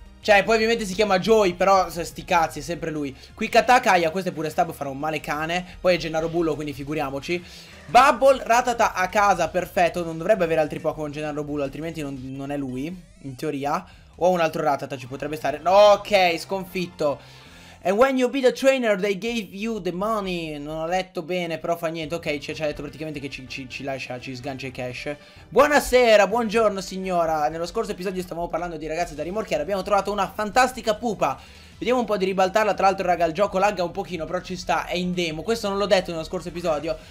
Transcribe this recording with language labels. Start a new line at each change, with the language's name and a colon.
Italian: Cioè, poi ovviamente si chiama Joey, però sti cazzi, è sempre lui. Quick Attack, aia, questo è pure stab, farà un male cane. Poi è Gennaro Bullo, quindi figuriamoci. Bubble, Rattata a casa, perfetto. Non dovrebbe avere altri Pokémon Gennaro Bullo, altrimenti non è lui, in teoria. O un altro Rattata, ci potrebbe stare. Ok, sconfitto.
English: And when you be the trainer, they gave you the money.
Italian: Non ho letto bene, però fa niente. Ok, ci ha detto praticamente che ci sgancia i cash. Buonasera, buongiorno signora. Nello scorso episodio stavamo parlando di ragazze da rimorchiare. Abbiamo trovato una fantastica pupa. Vediamo un po' di ribaltarla. Tra l'altro, raga, il gioco lagga un pochino, però ci sta, è in demo. Questo non l'ho detto nello scorso episodio.